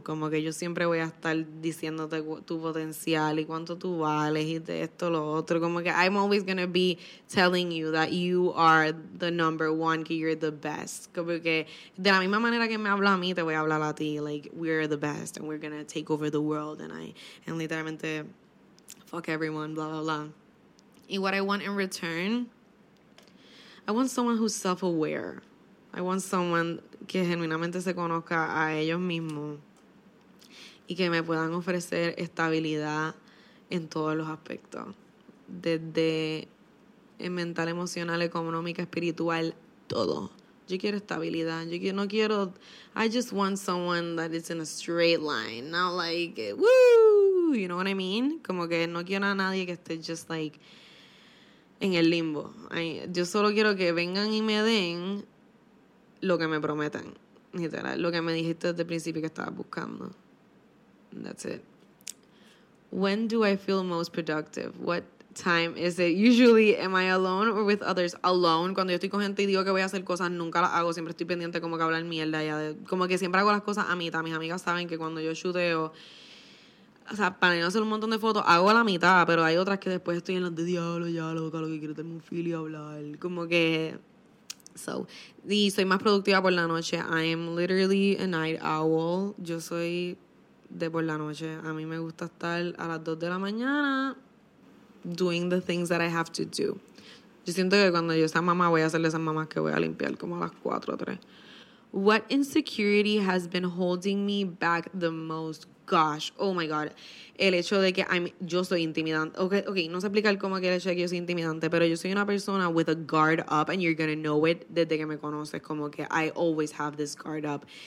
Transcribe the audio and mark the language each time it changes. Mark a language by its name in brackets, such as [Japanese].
[Spanish] Como que yo siempre voy a estar diciéndote tu potencial y cuánto tú vales y de esto, lo otro. Como que [English] I'm always gonna be telling you that you are the number one, que you're the best. [Spanish] Como que de la misma manera que me habla a mí, te voy a hablar a ti. [English] Like, we're the best and we're gonna take over the world. And I, and literalmente, fuck everyone, blah, blah, blah. And what I want in return, I want someone who's self-aware. I want someone [Spanish] que genuinamente se conozca a ellos mismos y que me puedan ofrecer estabilidad en todos los aspectos. Desde mental, emocional, económica, espiritual, todo. Yo quiero estabilidad. Yo quiero, no quiero... [English] I just want someone that is in a straight line. Not like, woo! You know what I mean? [Spanish] Como que no quiero a nadie que esté [English] just like [Spanish] en el limbo. Yo solo quiero que vengan y me den... lo que me prometan, literal, lo que me dijiste desde el principio que estabas buscando. [English] That's it. When do I feel most productive? What time is it? Usually, am I alone or with others? Alone. [Spanish] Cuando yo estoy con gente y digo que voy a hacer cosas, nunca las hago. Siempre estoy pendiente como que hablar mierda ya de, como que siempre hago las cosas a mitad. Mis amigas saben que cuando yo shooteo, o sea, para no hacer un montón de fotos, hago a la mitad, pero hay otras que después estoy en las de diablo, ya loca, lo que quiero tener un feel y hablar. Como que... so, y soy más productiva por la noche. [English] I am literally a night owl. [Spanish] Yo soy de por la noche. A mí me gusta estar a las 2 de la mañana [English] doing the things that I have to do. [Spanish] Yo siento que cuando yo sea mamá, voy a hacerle esas mamás que voy a limpiar como a las 4 o 3. [English] What insecurity has been holding me back the most? Gosh, oh my God. [Spanish] El hecho de que yo soy intimidante. Okay, no sé explicar cómo que el hecho de que yo soy intimidante, pero yo soy una persona [English] with a guard up, and you're gonna know it [Spanish] desde que me conoces. Como que [English] I always have this guard up.